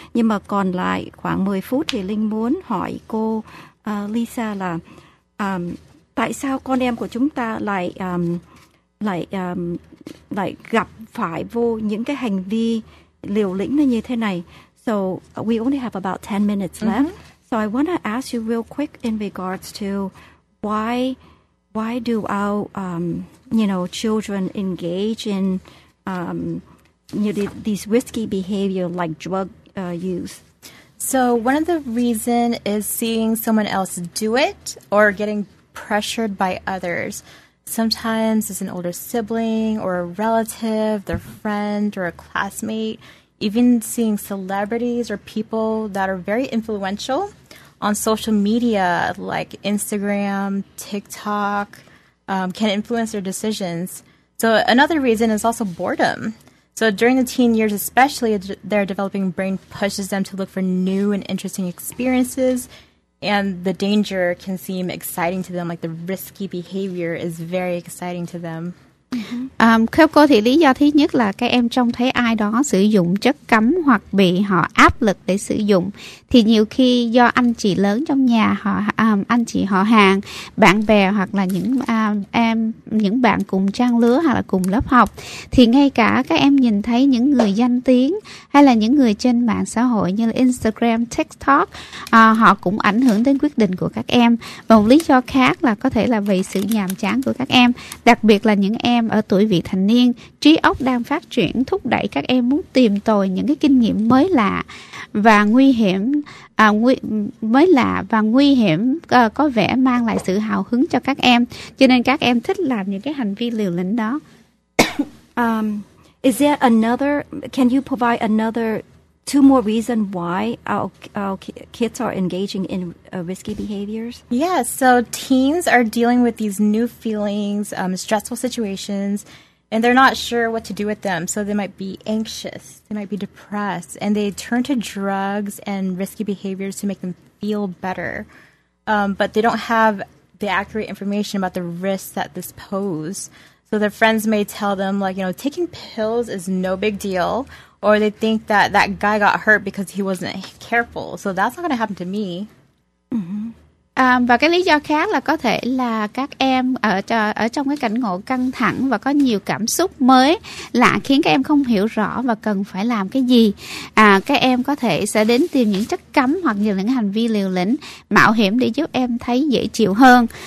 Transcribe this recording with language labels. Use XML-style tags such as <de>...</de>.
<vi>Nhưng mà còn lại khoảng 10 phút thì Linh muốn hỏi cô Lisa là tại sao con em của chúng ta lại gặp phải vô những cái hành vi liều lĩnh như thế này.</vi> <en>So we only have about 10 minutes left. Mm-hmm. So I want to ask you real quick in regards to why do our children engage in these risky behavior like drug use? So one of the reason is seeing someone else do it or getting pressured by others. Sometimes it's an older sibling or a relative, their friend or a classmate, even seeing celebrities or people that are very influential on social media, like Instagram, TikTok, can influence their decisions. So another reason is also boredom. So during the teen years especially, their developing brain pushes them to look for new and interesting experiences. And the danger can seem exciting to them, like the risky behavior is very exciting to them.</en> <vi>Theo cô thì lý do thứ nhất là các em trông thấy ai đó sử dụng chất cấm hoặc bị họ áp lực để sử dụng. Thì nhiều khi do anh chị lớn trong nhà, anh chị họ hàng, bạn bè hoặc là những bạn cùng trang lứa hoặc là cùng lớp học. Thì ngay cả các em nhìn thấy những người danh tiếng hay là những người trên mạng xã hội như là Instagram, TikTok, họ cũng ảnh hưởng đến quyết định của các em. Và một lý do khác là có thể là vì sự nhàm chán của các em, đặc biệt là những em ở tuổi vị thành niên, trí óc đang phát triển thúc đẩy các em muốn tìm tòi những cái kinh nghiệm mới lạ và nguy hiểm, có vẻ mang lại sự hào hứng cho các em, cho nên các em thích làm những cái hành vi liều lĩnh đó.</vi> <en>Is there another? Can you provide another two more reasons why our kids are engaging in risky behaviors? Yeah, so teens are dealing with these new feelings, stressful situations, and they're not sure what to do with them. So they might be anxious, they might be depressed, and they turn to drugs and risky behaviors to make them feel better. But they don't have the accurate information about the risks that this pose. So their friends may tell them, like, you know, taking pills is no big deal. Or they think that that guy got hurt because he wasn't careful. So that's not going to happen to me.</en> <vi>Và cái lý do khác là có thể là các em ở trong cái cảnh ngộ căng thẳng và có nhiều cảm xúc mới lạ khiến các em không hiểu rõ và cần phải làm cái gì. Các em có thể sẽ đến tìm những chất cấm hoặc là những hành vi liều lĩnh, mạo hiểm để giúp em thấy dễ chịu hơn.</vi>